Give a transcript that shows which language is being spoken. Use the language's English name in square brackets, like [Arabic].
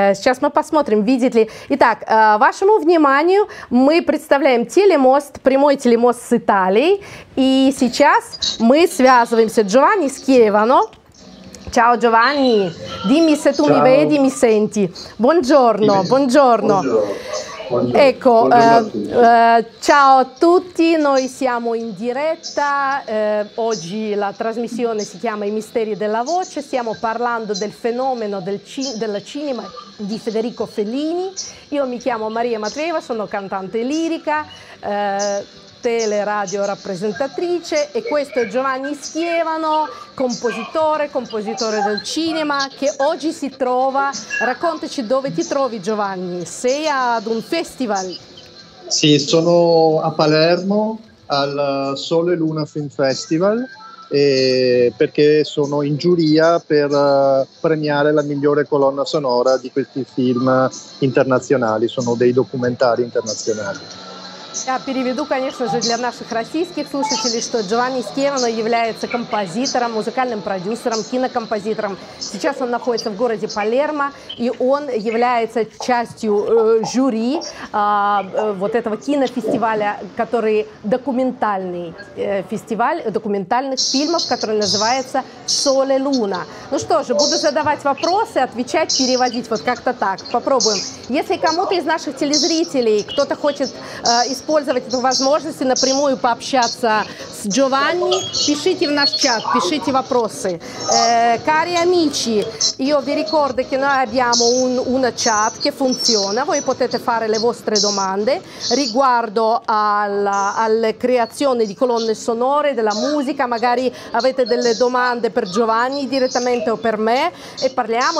[Russian] Сейчас мы посмотрим, видит ли. Итак, вашему вниманию мы представляем телемост, прямой телемост с Италией. И сейчас мы связываемся. Джованни с Кевано. [Italian] Ciao Giovanni, dimmi se tu mi vedi, mi senti. Buongiorno, buongiorno. Ecco, ciao a tutti, noi siamo in diretta, oggi la trasmissione si chiama I misteri della voce, stiamo parlando del fenomeno del cinema di Federico Fellini. Io mi chiamo Maria Matveva, sono cantante lirica, teleradio rappresentatrice, e questo è Giovanni Schievano, compositore del cinema, che oggi si trova. Raccontaci dove ti trovi, Giovanni. Sei ad un festival? Sì, sono a Palermo al Sole Luna Film Festival, perché sono in giuria per premiare la migliore colonna sonora di questi film internazionali, sono dei documentari internazionali. [Russian] Я переведу, конечно же, для наших российских слушателей, что Джованни Скевано является композитором, музыкальным продюсером, кинокомпозитором. Сейчас он находится в городе Палермо, и он является частью жюри вот этого кинофестиваля, который документальный фестиваль документальных фильмов, который называется «Соле Луна». Ну что же, буду задавать вопросы, отвечать, переводить, вот как-то так. Попробуем. Если кому-то из наших телезрителей кто-то хочет использовать эту возможность и напрямую пообщаться с Джованни, пишите в наш чат, пишите вопросы. [Italian] Cari amici, io vi ricordo che noi abbiamo una chat che funziona, voi potete fare le vostre domande riguardo alla creazione di colonne sonore, della musica, magari avete delle domande per Giovanni direttamente o per me e parliamo.